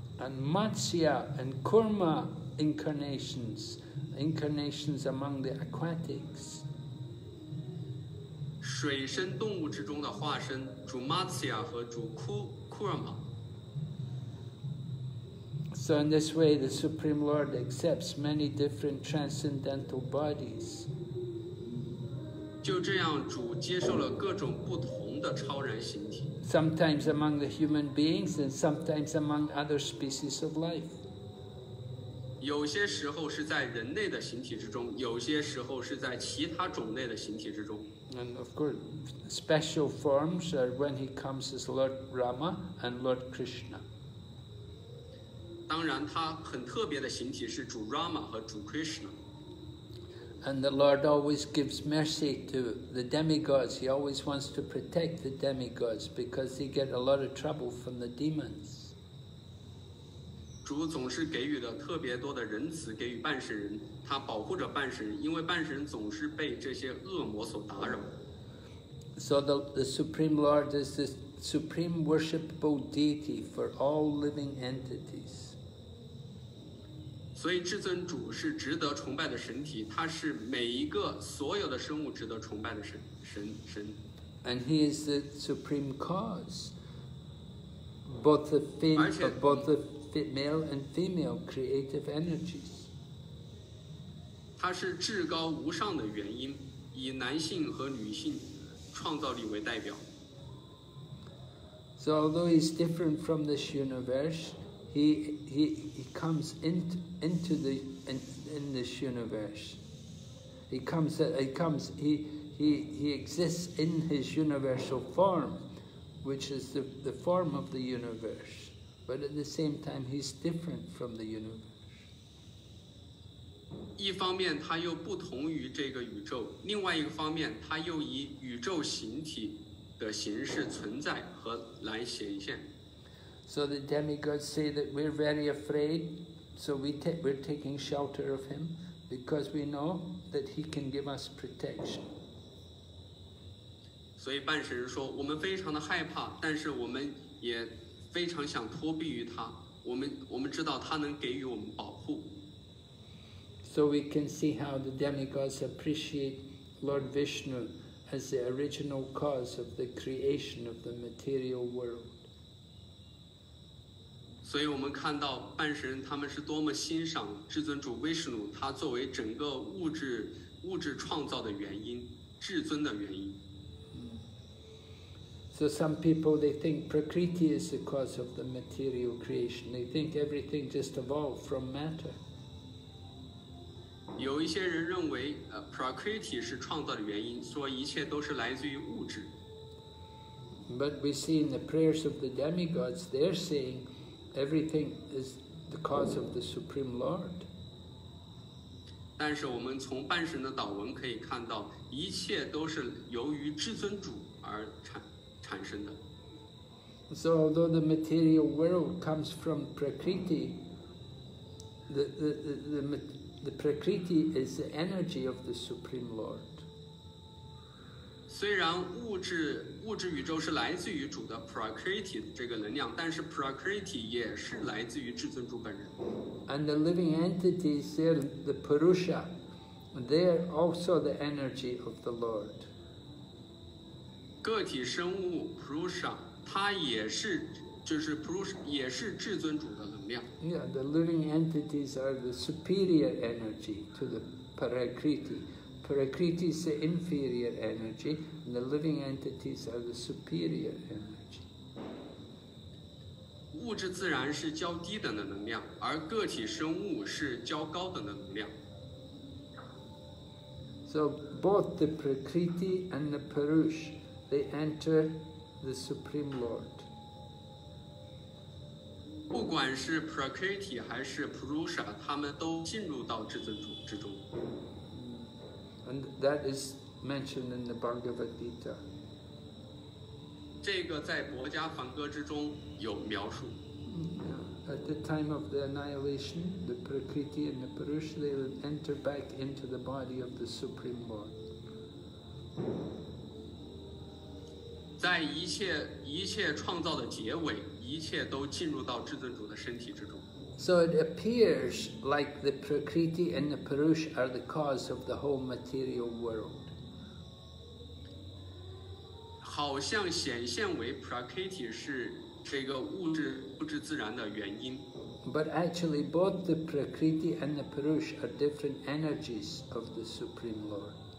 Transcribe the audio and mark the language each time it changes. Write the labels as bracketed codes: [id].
[en] And Matsya and Kurma incarnations among the aquatics. [zh] 水生动物之中的化身主 Matsya 和主 Kurma. [en] So in this way, the Supreme Lord accepts many different transcendental bodies. [zh] 就这样，主接受了各种不同的超人形体。 [en] Sometimes among the human beings, and sometimes among other species of life. [zh] 有些时候是在人类的形体之中，有些时候是在其他种类的形体之中。 [en] And of course, special forms are when he comes as Lord Rama and Lord Krishna. [zh] 当然，他很特别的形体是主 Rama 和主 Krishna。 [en] And the Lord always gives mercy to the demigods. He always wants to protect the demigods because they get a lot of trouble from the demons. [zh] 主总是给予了特别多的仁慈给予半神人，他保护着半神人，因为半神人总是被这些恶魔所打扰。 [en] So the Supreme Lord is the supreme worshipable deity for all living entities. [zh] 所以至尊主是值得崇拜的神体，他是每一个所有的生物值得崇拜的神。 [en] And he is the supreme cause, both the male and female creative energies. [zh] 他是至高无上的原因，以男性和女性创造力为代表。 [en] So although he's different from this universe. He comes into the in this universe. He exists in his universal form, which is the form of the universe. But at the same time, he's different from the universe. [zh] 一方面他又不同于这个宇宙，另外一个方面他又以宇宙形体的形式存在和来显现。 [en] So the demigods say that we're very afraid, so we're taking shelter of him because we know that he can give us protection. So the [zh] 半神人说我们非常的害怕，但是我们也非常想托庇于他，我们知道他能给予我们保护。 [en] So we can see how the demigods appreciate Lord Vishnu as the original cause of the creation of the material world. [zh] 所以我们看到半神人他们是多么欣赏至尊主威士努，他作为整个物质创造的原因，至尊的原因。 [en] So some people they think Prakriti is the cause of the material creation. They think everything just evolved from matter. [zh] 有一些人认为Prakriti 是创造的原因，说一切都是来自于物质。 [en] But we see in the prayers of the demigods, they're saying. Everything is the cause of the Supreme Lord. [zh] 但是我们从半神的祷文可以看到，一切都是由于至尊主而产生的。 [en] So although the material world comes from Prakriti, the Prakriti is the energy of the Supreme Lord. [zh] 虽然物质宇宙是来自于主的 Prakriti 这个能量，但是 Prakriti 也是来自于至尊主本人。 [en] And the living entities, they're the Purusha, they're also the energy of the Lord. [zh] 个体生物 Purusha, 它也是就是 Purusha 也是至尊主的能量。 [en] Yeah, the living entities are the superior energy to the Prakriti. Prakriti is the inferior energy, and the living entities are the superior energy. [zh] 物质自然是较低等的能量，而个体生物是较高等的能量。 [en] So both the Prakriti and the Purush, they enter the Supreme Lord. [zh] 不管是 Prakriti 还是 Purusha, 他们都进入到至尊主之中。 [en] And that is mentioned in the Bhagavad Gita. [zh] 这个在《薄伽梵歌》之中有描述。 [en] at the time of the annihilation, the Prakriti and the Purusha, they will enter back into the body of the Supreme Lord. [zh] 在一切创造的结尾，一切都进入到至尊主的身体之中。 [en] So it appears like the Prakriti and the Purusha are the cause of the whole material world. [zh] 好像显现为 Prakriti 是这个物质自然的原因。 [en] But actually both the Prakriti and the Purusha are different energies of the Supreme Lord.